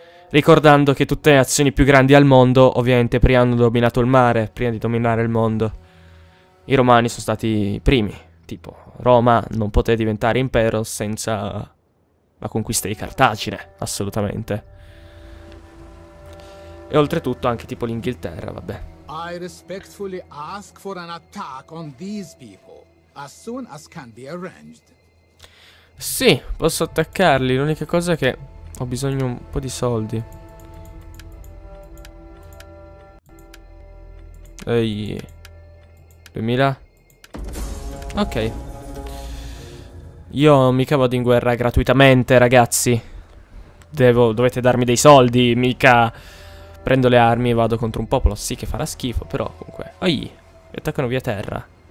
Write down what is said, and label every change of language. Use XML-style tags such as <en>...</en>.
<it>Ricordando che tutte le nazioni più grandi al mondo, ovviamente prima hanno dominato il mare, prima di dominare il mondo. I romani sono stati i primi, tipo Roma non poteva diventare impero senza la conquista di Cartagine, assolutamente. E oltretutto anche tipo l'Inghilterra, vabbè.</it> <en>I respectfully ask for an attack on these people as soon as can be arranged.</en> <it>Sì, posso attaccarli, l'unica cosa è che ho bisogno un po' di soldi. Ehi. 2000. Ok. Io mica vado in guerra gratuitamente, ragazzi. Dovete darmi dei soldi, mica prendo le armi e vado contro un popolo. Sì che farà schifo, però comunque. Ai, E attaccano via terra.</it>